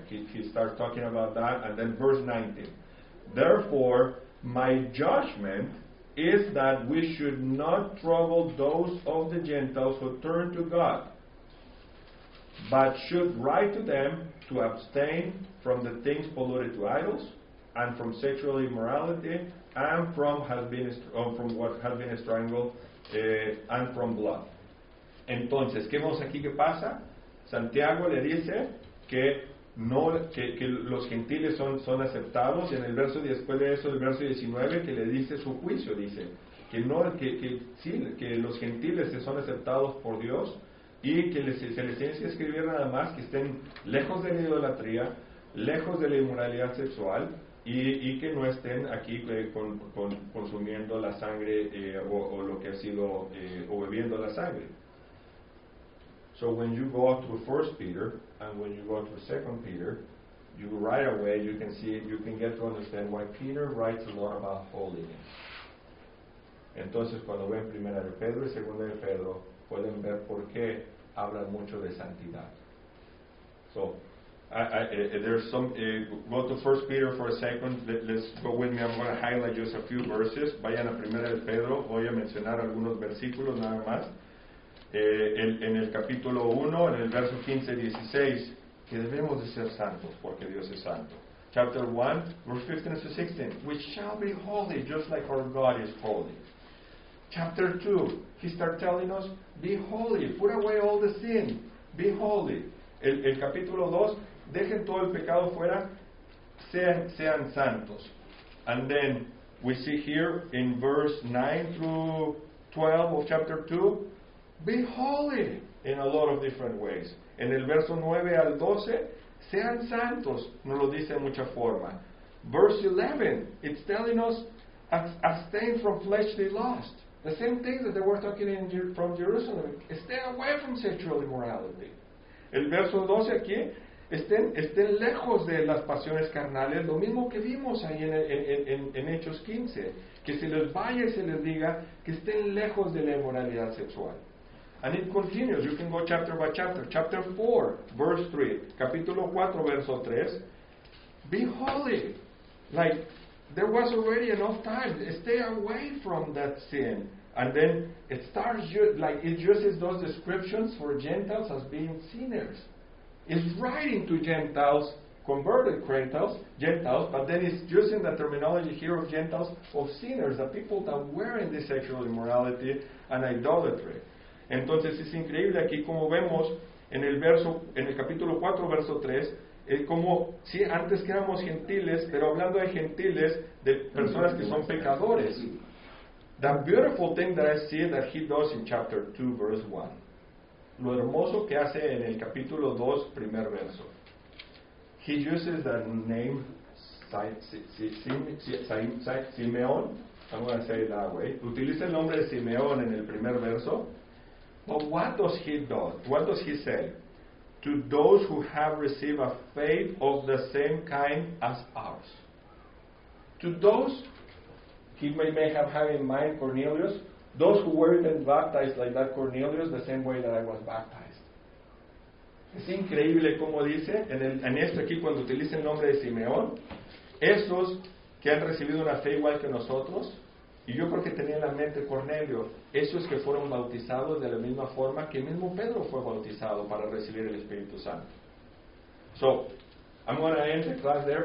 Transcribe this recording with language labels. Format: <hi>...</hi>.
<en>He starts talking about that, and then verse 19. Therefore, my judgment is that we should not trouble those of the Gentiles who turn to God, but should write to them to abstain from the things polluted to idols, and from sexual immorality, and from what has been strangled, and from blood.</en> <es>Entonces, ¿qué vemos aquí? ¿Qué pasa? Santiago le dice que no, que los gentiles son aceptados, y en el verso 10, después de eso, el verso 19, que le dice su juicio, dice que no, que los gentiles son aceptados por Dios, y que se les tiene que escribir nada más que estén lejos de la idolatría, lejos de la inmoralidad sexual, y que no estén aquí consumiendo la sangre o lo que ha sido o bebiendo la sangre.</es> <en>So when you go to 1 Peter and when you go to 2 Peter, you right away you can see, you can get to understand why Peter writes a lot about holiness.</en> <es>Entonces cuando ven primera de Pedro y segunda de Pedro, pueden ver por qué habla mucho de santidad.</es> <en>So, go to 1 Peter for a second. Let's go with me. I'm going to highlight just a few verses.</en> <es>Vayan a primera de Pedro. Voy a mencionar algunos versículos nada más. En el capítulo 1, en el verso 15-16, que debemos de ser santos porque Dios es santo.</es> <en>Chapter 1, verse 15-16, we shall be holy just like our God is holy. Chapter 2, he starts telling us, be holy, put away all the sin, be holy.</en> <es>El capítulo 2, dejen todo el pecado fuera, sean santos.</es> <en>And then we see here in verse 9 through 12 of chapter 2, be holy in a lot of different ways.</en> <es>En el verso 9 al 12, sean santos, nos lo dice en mucha forma.</es> <en>Verse 11, it's telling us, abstain from fleshly lust. The same thing that they were talking in from Jerusalem. Stay away from sexual immorality.</en> <es>El verso 12 aquí, estén lejos de las pasiones carnales, lo mismo que vimos ahí en Hechos 15, que se les vaya y se les diga que estén lejos de la inmoralidad sexual.</es> <en>And it continues, you can go chapter by chapter. Chapter 4, verse 3,</en> <es>capítulo 4, verso 3,</es> <en>be holy, like, there was already enough time. Stay away from that sin. And then it starts, like, it uses those descriptions for Gentiles as being sinners. It's writing to Gentiles, converted Gentiles, but then it's using the terminology here of Gentiles, of sinners, the people that were in this sexual immorality and idolatry.</en> <es>Entonces es increíble aquí como vemos en el verso, en el capítulo 4, verso 3, como sí, antes que éramos gentiles, pero hablando de gentiles, de personas que son pecadores.</es> <en>The beautiful thing that I see that he does in chapter 2, verse 1.</en> <es>Lo hermoso que hace en el capítulo 2, primer verso.</es> <en>He uses the name Simeón. I'm going to say it that way.</en> <es>Utiliza el nombre de Simeón en el primer verso.</es> <en>But what does he do? What does he say? To those who have received a faith of the same kind as ours. To those, he may have had in mind Cornelius, those who weren't baptized like that Cornelius, the same way that I was baptized.</en> <es>Es increíble como dice, en esto aquí cuando utiliza el nombre de Simeón, esos que han recibido una fe igual que nosotros, y yo creo que tenía en la mente Cornelio, esos que fueron bautizados de la misma forma que mismo Pedro fue bautizado para recibir el Espíritu Santo.</es> <en>So, I'm going to end the class there.</en>